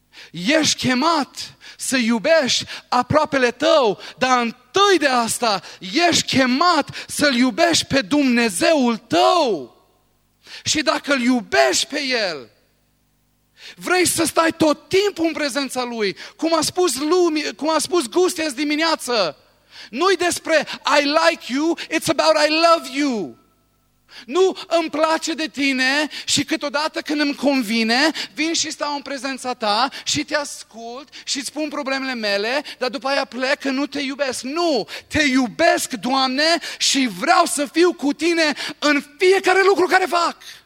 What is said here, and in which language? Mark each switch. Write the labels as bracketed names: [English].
[Romanian] Ești chemat să iubești aproapele tău, dar întâi de asta ești chemat să-L iubești pe Dumnezeul tău. Și dacă îl iubești pe El, vrei să stai tot timpul în prezența Lui, cum a spus Gusti azi dimineață. Nu-i despre [English] I like you, it's about I love you. [Romanian] Nu îmi place de tine și câteodată când îmi convine, vin și stau în prezența ta și te ascult și îți spun problemele mele, dar după aia plec că nu te iubesc. Nu, te iubesc, Doamne, și vreau să fiu cu tine în fiecare lucru care fac.